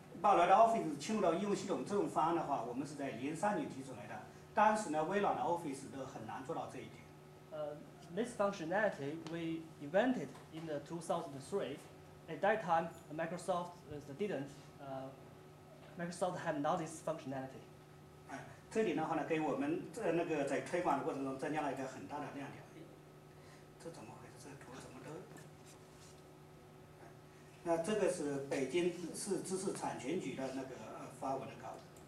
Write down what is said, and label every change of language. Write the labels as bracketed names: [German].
[Chinese] 把 Red Office 嵌入到应用系统这种方案的话，我们是在2003年提出来的。当时呢，微软的 Office 都很难做到这一点。 [English] This functionality we invented in the 2003. At that time, Microsoft didn't. Microsoft have not this functionality. [Chinese] 这点的话呢，给我们那个在推广的过程中增加了一个很大的亮点。这怎么回事？这图怎么都？那这个是北京市知识产权局的那个发文的稿子。